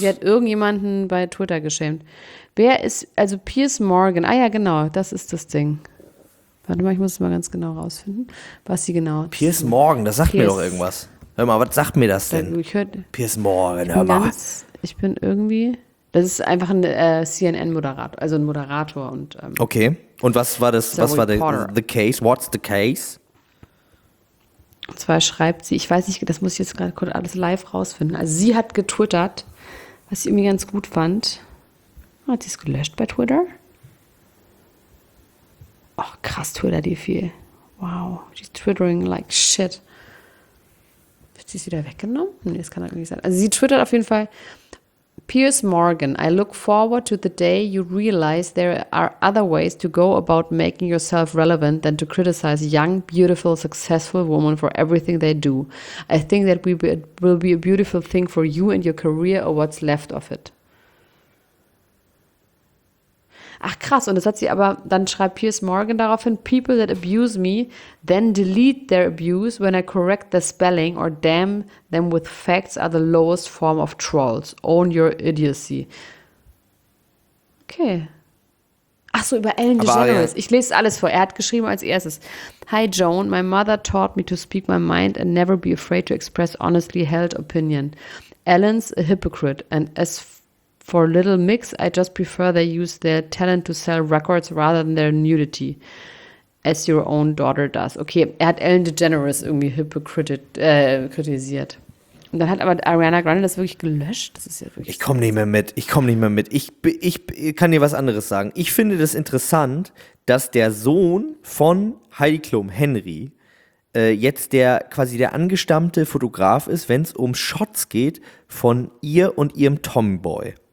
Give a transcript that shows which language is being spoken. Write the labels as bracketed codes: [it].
[de] Sie hat irgendjemanden bei Twitter geschämt. Wer ist, also Piers Morgan, ja genau, das ist das Ding. Warte mal, ich muss es mal ganz genau rausfinden, was sie genau... Piers Morgan, das sagt mir doch irgendwas. Hör mal, was sagt mir das denn? Piers Morgan, hör mal. Ich bin irgendwie, das ist einfach ein CNN-Moderator, also ein Moderator. Und, okay, und was war das, was war [en] the case, what's the case? [de] Und zwar schreibt sie, ich weiß nicht, das muss ich jetzt gerade kurz alles live rausfinden. Also sie hat getwittert, was ich irgendwie ganz gut fand. Hat sie es gelöscht bei Twitter? Ach, krass, twittert die viel. [en] Wow, she's twittering like shit. [de] Wird sie es wieder weggenommen? Nee, das kann doch nicht sein. Also sie twittert auf jeden Fall, [en] Piers Morgan, I look forward to the day you realize there are other ways to go about making yourself relevant than to criticize young, beautiful, successful women for everything they do. I think that will be a beautiful thing for you and your career or what's left of it. [de] Ach krass, und das hat sie aber, dann schreibt Piers Morgan daraufhin, [en] people that abuse me then delete their abuse when I correct the spelling or damn them with facts are the lowest form of trolls. Own your idiocy. Okay. [de] Ach so, über Ellen DeGeneres. Ich lese alles vor. Er hat geschrieben als erstes. [en] Hi Joan, my mother taught me to speak my mind and never be afraid to express honestly held opinion. Ellen's a hypocrite and as for Little Mix, I just prefer they use their talent to sell records rather than their nudity, as your own daughter does. [de] Okay, er hat Ellen DeGeneres irgendwie kritisiert. Und dann hat aber Ariana Grande das wirklich gelöscht. Das ist ja wirklich. Ich komme nicht mehr mit. Ich kann dir was anderes sagen. Ich finde das interessant, dass der Sohn von Heidi Klum, Henry, jetzt der angestammte Fotograf ist, wenn es um Shots geht von ihr und ihrem Tomboy.